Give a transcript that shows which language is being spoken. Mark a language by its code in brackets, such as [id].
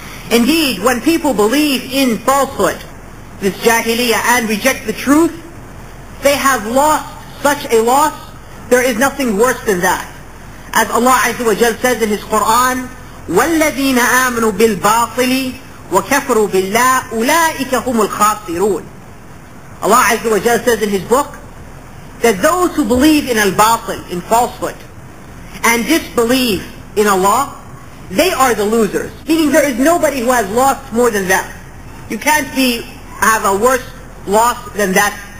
[en] Indeed, when people believe in falsehood, this Jahiliyyah, and reject the truth, they have lost such a loss, there is nothing worse than that. As Allah Azza wa Jal says in His Qur'an, [ar] وَالَّذِينَ آمَنُوا بِالْبَاطِلِ وكفروا بالله أولئك هم الخاسرون. [en] Allah عز وجل says in his book that those who believe in al-batil, in falsehood, and disbelieve in Allah, they are the losers. Meaning there is nobody who has lost more than them. You can't be have a worse loss than that.